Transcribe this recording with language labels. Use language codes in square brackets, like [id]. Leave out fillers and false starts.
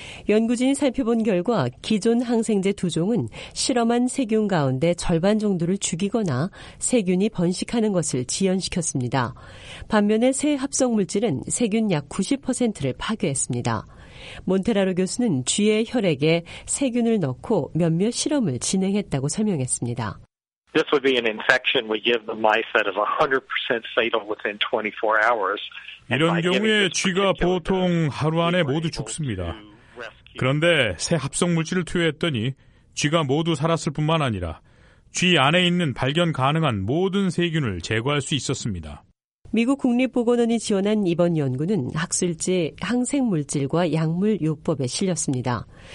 [ko] 연구진이 살펴본 결과 기존 항생제 두 종은 실험한 세균 가운데 절반 정도를 죽이거나 세균이 번식하는 것을 지연시켰습니다. 반면에 새 합성 물질은 세균 약 90%를 파괴했습니다. 몬테라로 교수는 쥐의 혈액에 세균을 넣고 몇몇 실험을 진행했다고 설명했습니다. [en] This would be an infection we give the mice that is 100% fatal within 24 hours. [ko] 이런 경우에 쥐가 보통 하루 안에 모두 죽습니다. 그런데 새 합성 물질을 투여했더니 쥐가 모두 살았을 뿐만 아니라 쥐 안에 있는 발견 가능한 모든 세균을 제거할 수 있었습니다. 미국 국립보건원이 지원한 이번 연구는 학술지 항생물질과 약물요법에 실렸습니다.